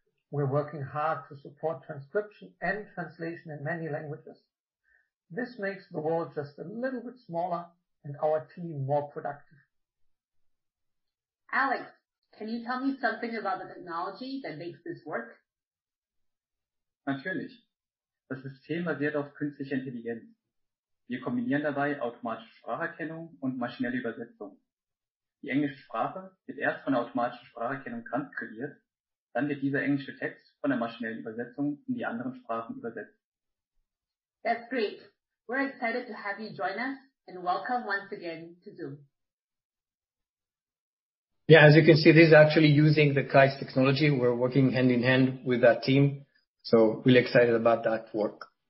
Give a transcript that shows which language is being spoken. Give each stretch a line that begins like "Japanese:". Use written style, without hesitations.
English: We're working hard to support transcription and translation in many languages. This makes the world just a little bit smaller and our team more productive. Alex, can you tell me something about the technology that makes this work?
German: Natürlich. Das System basiert auf künstlicher Intelligenz. Wir kombinieren dabei automatische Spracherkennung und maschinelle Übersetzung. Die englische Sprache wird erst von der automatischen Spracherkennung transkribiert, dann wird dieser englische Text von der maschinellen Übersetzung in die anderen Sprachen übersetzt.
English: That's great. We're excited to have you join us and welcome once again to Zoom. Yeah, as you can see, this is actually using the Kites technology. We're working hand in hand with that team, so really excited about that work.